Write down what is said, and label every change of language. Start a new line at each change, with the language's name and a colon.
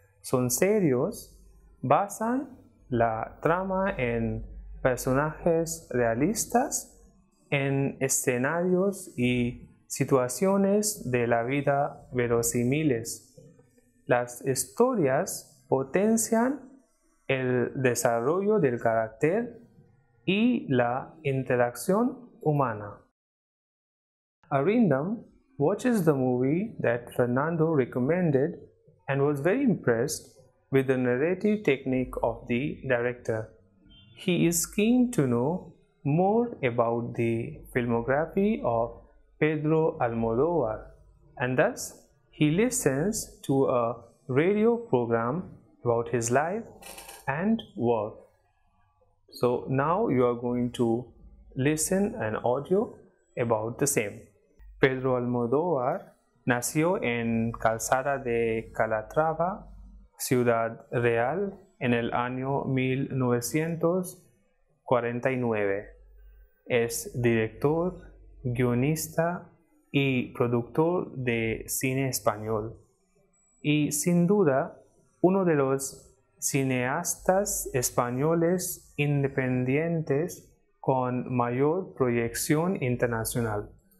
Spanish: Son serios, basan la trama en personajes realistas, en escenarios y situaciones de la vida verosímiles. Las historias potencian el desarrollo del carácter y la interacción humana.
English: Arindam watches the movie that Fernando recommended and was very impressed with the narrative technique of the director. He is keen to know more about the filmography of Pedro Almodóvar, and thus he listens to a radio program about his life and work. So now you are going to listen an audio about the same.
Spanish: Pedro Almodóvar nació en Calzada de Calatrava, Ciudad Real, en el año 1949. Es director, guionista y productor de cine español, y sin duda uno de los cineastas españoles independientes con mayor proyección internacional.